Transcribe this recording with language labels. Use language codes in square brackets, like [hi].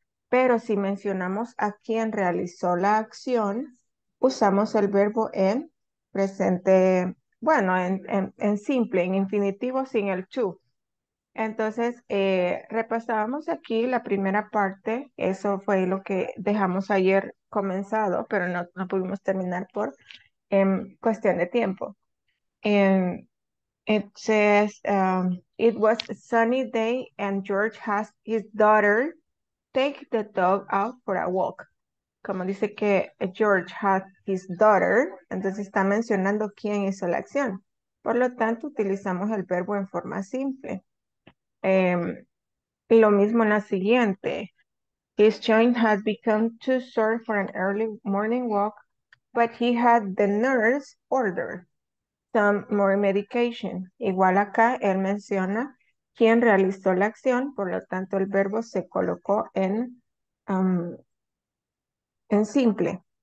[es] Pero si mencionamos a quién realizó la acción, usamos el verbo en presente, bueno, en simple, en infinitivo sin el to. Entonces, repasábamos aquí la primera parte. Eso fue lo que dejamos ayer comenzado, pero no pudimos terminar por cuestión de tiempo. [en] It says, it was a sunny day and George has his daughter take the dog out for a walk. [es] Como dice que [en] George had his daughter, [es] entonces está mencionando quién hizo la acción. Por lo tanto, utilizamos el verbo en forma simple. Lo mismo en la siguiente. [en] His joint has become too sore for an early morning walk, but he had the nurse order some more medication. [es] Igual acá, él menciona quién realizó la acción, por lo tanto, el verbo se colocó en simple.